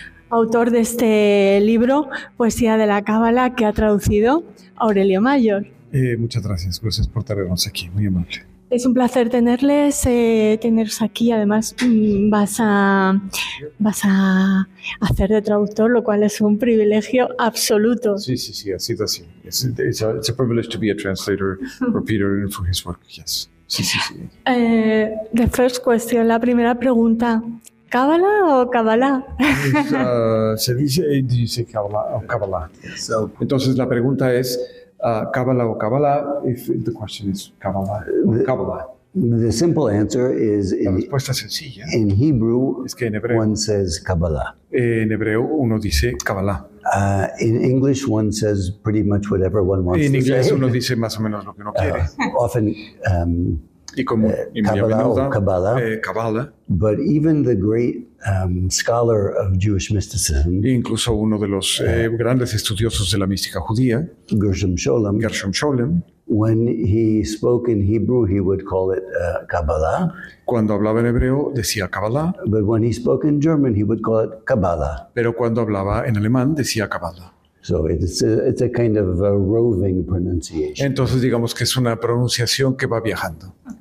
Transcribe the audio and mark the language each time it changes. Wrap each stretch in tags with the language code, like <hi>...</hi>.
<es>Autor de este libro, Poesía de la Cábala, que ha traducido Aurelio Mayor. Muchas gracias, gracias por tenernos aquí, muy amable. Es un placer tenerles, teneros aquí. Además, vas a hacer de traductor, lo cual es un privilegio absoluto. Sí, ha sido así.</es> <en>It's a privilege to be a translator for Peter and for his work, yes.</en> <es>Sí.</es> <en>The first question,</en> <es>la primera pregunta. ¿Cábala o Kabbalah? Se dice Kabbalah o Kabbalah. Entonces, la pregunta es, Kabbalah o Kabbalah,</es> <en>if the question is Kabbalah or Kabbalah. The simple answer is, in Hebrew,</en> <es>es que en hebreo,</es> <en>one says Kabbalah.</en> <es>En hebreo, uno dice Kabbalah.</es> <en>In English, one says pretty much whatever one wants</en> <es>en</es> <en>to say.</en> <es>En inglés, uno dice más o menos lo que uno quiere.</es> <en>Often, Kabbalah. But even the great scholar of Jewish mysticism,</en> <es>incluso uno de los grandes estudiosos de la mística judía,</es> <en>Gershom Scholem, when he spoke in Hebrew, he would call it Kabbalah.</en> <es>Cuando hablaba en hebreo, decía Kabbalah.</es> <en>But when he spoke in German, he would call it Kabbalah.</en> <es>Pero cuando hablaba en alemán, decía Kabbalah.</es> <en>So it's a kind of a roving pronunciation.</en> <es>Entonces digamos que es una pronunciación que va viajando.</es>